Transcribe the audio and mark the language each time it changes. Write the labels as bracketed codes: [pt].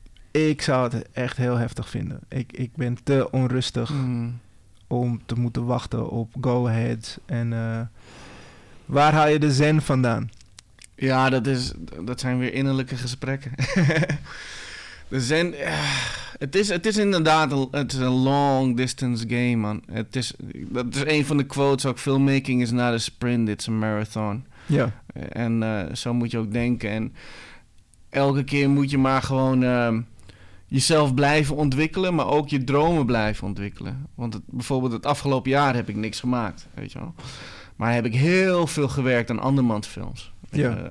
[nl] Ik zou het echt heel heftig vinden. Ik ben te onrustig om te moeten wachten op go-aheads. En waar haal je de zen vandaan? Ja, dat zijn weer innerlijke gesprekken. De zen... Het is inderdaad een [en] long distance game, [nl] man. Dat is een van de quotes ook. [en] Filmmaking is not a sprint, it's a marathon. [nl] Ja. En zo moet je ook denken. En elke keer moet je maar gewoon jezelf blijven ontwikkelen, maar ook je dromen blijven ontwikkelen. Want bijvoorbeeld het afgelopen jaar heb ik niks gemaakt, weet je wel. Maar heb ik heel veel gewerkt aan andermans films. Ja.